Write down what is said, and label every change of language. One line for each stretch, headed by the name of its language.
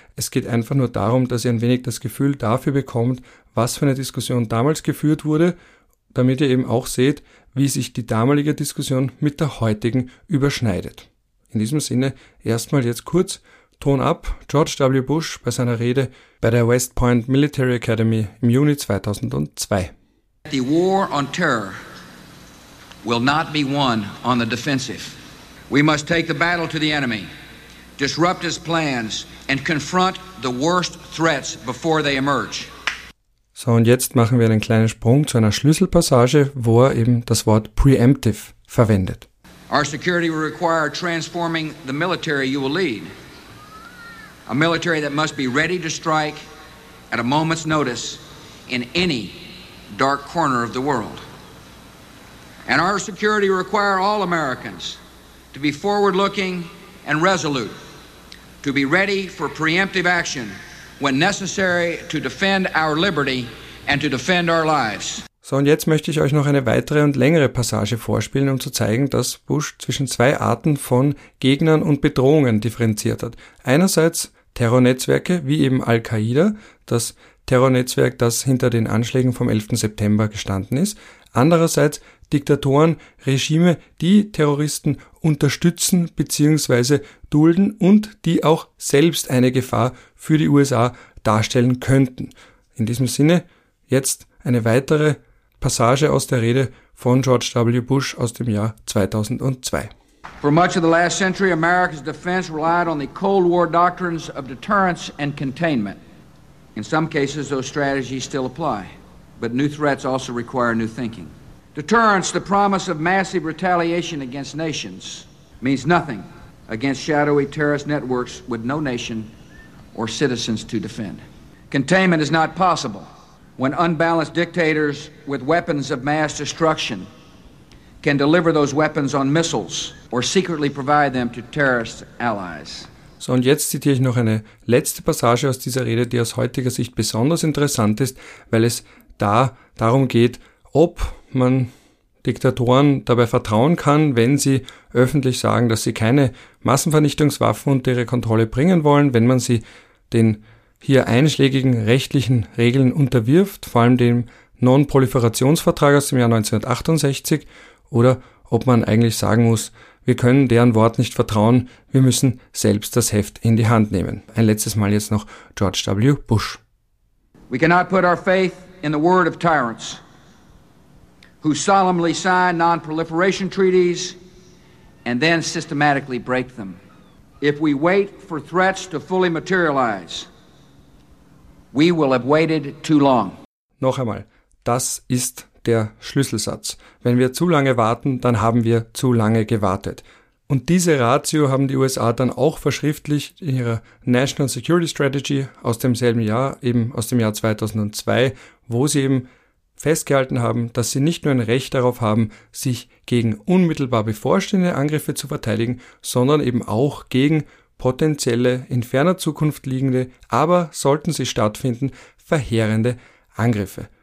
German: Es geht einfach nur darum, dass ihr ein wenig das Gefühl dafür bekommt, was für eine Diskussion damals geführt wurde, damit ihr eben auch seht, wie sich die damalige Diskussion mit der heutigen überschneidet. In diesem Sinne erstmal jetzt kurz Ton ab. George W. Bush bei seiner Rede bei der West Point Military Academy im Juni 2002.
English: The war on terror will not be won on the defensive. We must take the battle to the enemy, disrupt his plans and confront the worst threats before they emerge.
German: So, und jetzt machen wir einen kleinen Sprung zu einer Schlüsselpassage, wo er eben das Wort preemptive verwendet.
English: Our security will require transforming the military you will lead. A military that must be ready to strike at a moment's notice in any dark corner of the world. And our security require all Americans to be forward-looking and resolute, to be ready for preemptive action when necessary to defend our liberty and to defend our lives.
German: So, und jetzt möchte ich euch noch eine weitere und längere Passage vorspielen, um zu zeigen, dass Bush zwischen zwei Arten von Gegnern und Bedrohungen differenziert hat. Einerseits Terrornetzwerke wie eben Al-Qaida, das Terrornetzwerk, das hinter den Anschlägen vom 11. September gestanden ist. Andererseits Diktatoren, Regime, die Terroristen unterstützen bzw. dulden und die auch selbst eine Gefahr für die USA darstellen könnten. In diesem Sinne jetzt eine weitere Passage aus der Rede von George W. Bush aus dem Jahr 2002.
English: For much of the last century, America's defense relied on the Cold War doctrines of deterrence and containment. In some cases, those strategies still apply, but new threats also require new thinking. Deterrence, the promise of massive retaliation against nations, means nothing against shadowy terrorist networks with no nation or citizens to defend. Containment is not possible when unbalanced dictators with weapons of mass destruction can deliver those weapons on missiles or secretly provide them to terrorist allies.
German: So, und jetzt zitiere ich noch eine letzte Passage aus dieser Rede, die aus heutiger Sicht besonders interessant ist, weil es da darum geht, ob man Diktatoren dabei vertrauen kann, wenn sie öffentlich sagen, dass sie keine Massenvernichtungswaffen unter ihre Kontrolle bringen wollen, wenn man sie den hier einschlägigen rechtlichen Regeln unterwirft, vor allem dem Non-Proliferationsvertrag aus dem Jahr 1968, oder ob man eigentlich sagen muss, wir können deren Wort nicht vertrauen, wir müssen selbst das Heft in die Hand nehmen. Ein letztes Mal jetzt noch George W. Bush.
English: We cannot put our faith in the word of tyrants who solemnly sign non-proliferation treaties and then systematically break them. If we wait for threats to fully materialize, we will have waited too long.
German: Noch einmal, das ist der Schlüsselsatz. Wenn wir zu lange warten, dann haben wir zu lange gewartet. Und diese Ratio haben die USA dann auch verschriftlicht in ihrer National Security Strategy aus demselben Jahr, eben aus dem Jahr 2002, wo sie eben festgehalten haben, dass sie nicht nur ein Recht darauf haben, sich gegen unmittelbar bevorstehende Angriffe zu verteidigen, sondern eben auch gegen potenzielle, in ferner Zukunft liegende, aber sollten sie stattfinden, verheerende Angriffe.